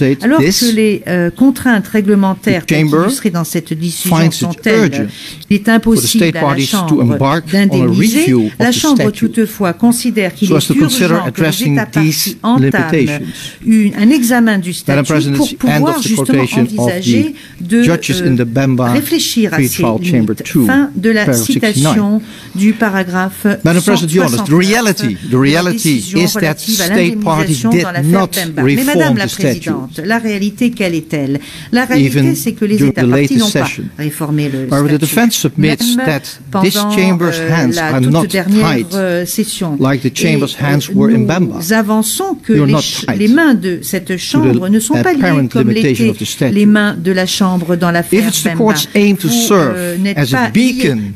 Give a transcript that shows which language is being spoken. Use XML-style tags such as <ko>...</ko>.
<fr>Alors que les contraintes réglementaires illustrées dans cette décision sont telles qu'il est impossible à la Chambre d'indemniser, la Chambre toutefois considère qu'il est urgent que les États parties entament un examen du statut pour pouvoir justement envisager de réfléchir à ces limites. Fin de la citation du paragraphe 169.</fr> <en>The reality is that state parties did not reform the statute.</en> <fr>Mais Madame la Présidente, la réalité quelle est-elle? La réalité, c'est que les États parties n'ont pas réformé le statut.</fr> <en>However, the defense submits that this chamber's hands are not tight, like the chamber's hands were in Bemba.</en> <fr>Nous avançons que les mains de cette chambre ne sont pas liées comme l'étaient les mains de la chambre dans l'affaire Bemba.</fr> <en>If the court's aim to serve as a beacon</en>